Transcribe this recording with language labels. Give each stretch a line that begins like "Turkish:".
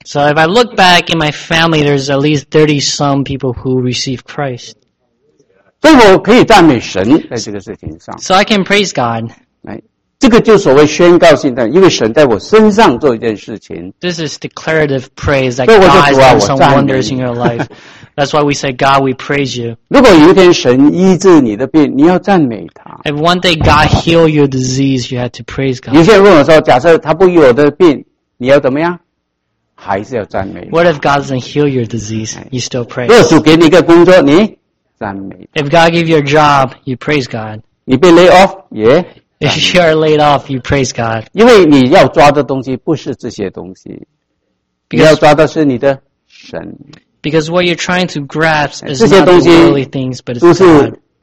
English: So if I look back in my family, there's at least 30 some people who received Christ.
Chinese: 所以我可以赞美神在这个事情上。
English: So I can praise God.
Chinese: 这个就所谓宣告性的，因为神在我身上做一件事情。
English: This is declarative praise that God has done some wonders in your life. That's why we say, God, we praise you.
Chinese: 如果有一天神医治你的病，你要赞美他。
English: If one day God heal your disease, you have to praise God.
Chinese: 有些人问我说，假设他不医我的病，你要怎么样？还是要赞美。
English: What if God doesn't heal your disease? You still praise.
Chinese: 若主给你一个工作，你赞美。
English: If God give you a job, you praise God.
Chinese: 你被 lay off, yeah.
English: If you are laid off, you praise God.
Chinese: 因为你要抓的东西不是这些东西，你要抓的是你的神。
English: Because what you're trying to grasp is not the worldly things, but it's God.